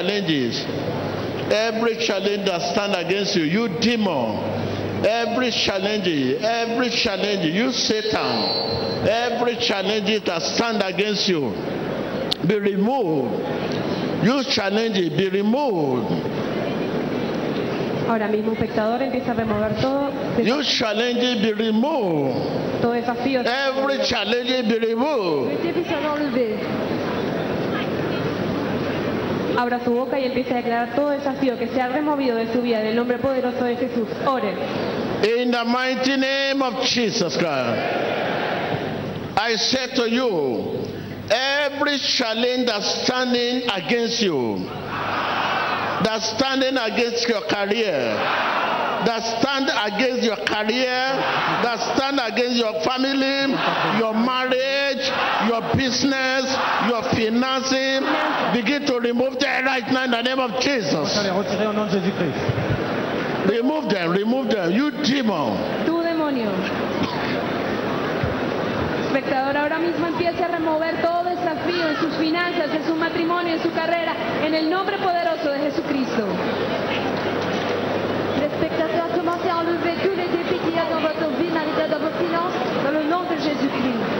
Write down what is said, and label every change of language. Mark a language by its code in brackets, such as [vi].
[en] Every challenge that stand against you, you demon. Every challenge, you Satan. Every challenge that stand against you, be removed. You challenge it, be removed. [es] Ahora mismo, espectador, empieza a remover todo. [en] You challenge it, be removed. [es] Todo desafío. [en] Every challenge, be removed. [es] Abra su boca y empieza a declarar todo desafío que se ha removido de su vida, del nombre poderoso de Jesús. Ore. [en] In the mighty name of Jesus Christ, I say to you, every challenge that's standing against your career, that stand against your career, that stand against your family, your marriage, your business, your finances, begin to remove them right now in the name of Jesus. Remove them, remove them. You demon. [es] Tu demonio. Espectador, ahora mismo empiece a remover todo desafío en sus finanzas, en su matrimonio, en su carrera, en el nombre poderoso de Jesucristo. [fr] Espectador, commencez à enlever tous les défis qu'il y a dans votre vie, marital, dans vos finances, dans le nom de Jésus-Christ.